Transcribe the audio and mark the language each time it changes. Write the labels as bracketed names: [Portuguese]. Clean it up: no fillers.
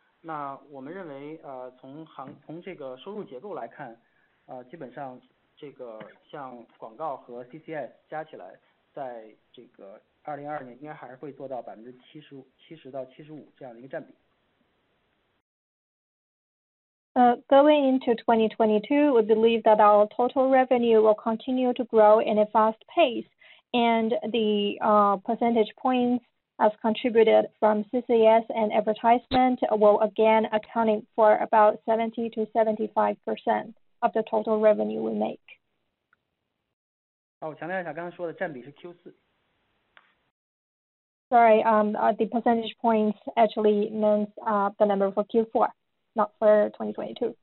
[Chinese] 那我们认为，从收入结构来看，基本上这个像广告和CCS加起来，在这个2022年应该还是会做到70%到75%这样的一个占比。 [English] Going into 2022, we believe that our total revenue will continue to grow in a fast pace, and the percentage points as contributed from CCS and advertisement will again accounting for about 70% to 75% of the total revenue we make. [Chinese] 我强调一下刚刚说的占比是 Q4. [English] Sorry, the percentage points actually means the number for Q4, not for 2022.